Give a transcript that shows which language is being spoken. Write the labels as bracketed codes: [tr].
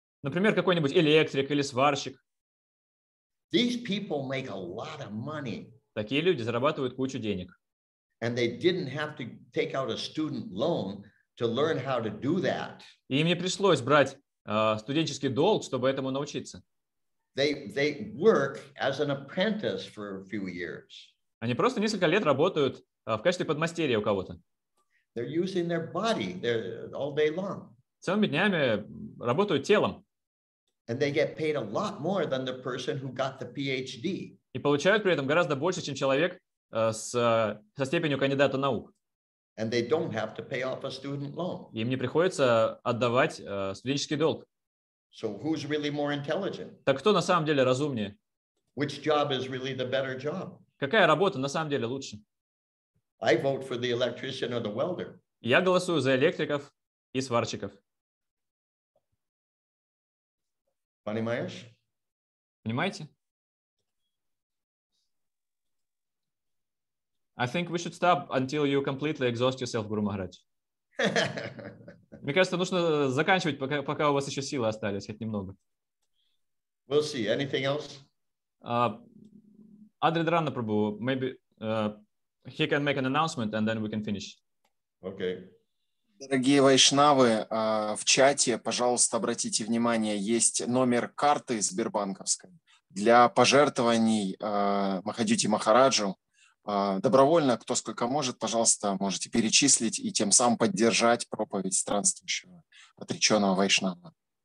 [ru] Например, какой-нибудь электрик или сварщик. [en] These people make a lot of money. [ru] Такие люди зарабатывают кучу денег. [en] And they didn't have to take out a student loan to learn how to do that. [ru] И им не пришлось брать студенческий долг, чтобы этому научиться. [en] They work as an apprentice for a few years. [ru] Они просто несколько лет работают в качестве подмастерья у кого-то. [en] They're using their body all day long. [ru] Целыми днями работают телом. [en] And they get paid a lot more than the person who got the PhD. [ru] И получают при этом гораздо больше, чем человек со степенью кандидата наук. [en] And they don't have to pay off a student loan. [ru] Им не приходится отдавать студенческий долг. [en] So who's really more intelligent? [ru] Так кто на самом деле разумнее? [en] Which job is really the better job? [ru] Какая работа на самом деле лучше? [en] I vote for the electrician or the welder. [ru] Я голосую за электриков и сварщиков. Понимаешь? Понимаете? [en] I think we should stop until you completely exhaust yourself, Guru Maharaj. [ru] Мне кажется, нужно заканчивать, пока у вас еще силы остались, хоть немного. [en] We'll see. Anything else? Adridrana Prabhu, maybe he can make an announcement and then we can finish. Okay. [ru] Дорогие вайшнавы, в чате, пожалуйста, обратите внимание, есть номер карты Сбербанковской для пожертвований Махадьюти Махараджу. Добровольно, кто сколько может, пожалуйста, можете перечислить и тем самым поддержать проповедь странствующего отреченного вайшнава.